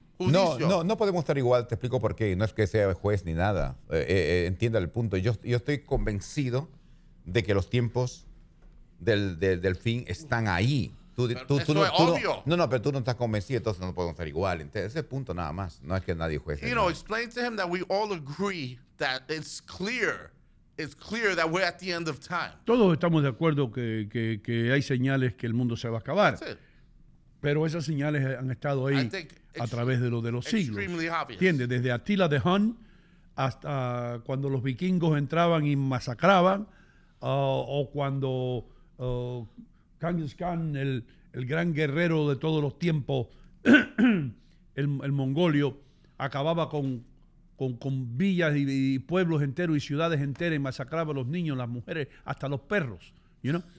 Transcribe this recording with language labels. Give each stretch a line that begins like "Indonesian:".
Spanish: No podemos estar igual, te explico por qué. No es que sea juez ni nada. Entienda el punto. Yo estoy convencido de que los tiempos del fin están ahí. Pero tú no estás convencido, entonces no podemos ser igual. Entonces, ese punto nada más. No es que nadie juegue.
English: You know, explain to him that we all agree that it's clear. It's clear that we're at the end of time.
Spanish: Todos estamos de acuerdo que hay señales que el mundo se va a acabar. Pero esas señales han estado ahí a través de los siglos. ¿Entiendes? Desde Attila the Hun hasta cuando los vikingos entraban y masacraban, o cuando Genghis Khan, el gran guerrero de todos los tiempos, el mongolio, acababa con villas y pueblos enteros y ciudades enteras y masacraba a los niños, las mujeres, hasta los perros.
English: You know?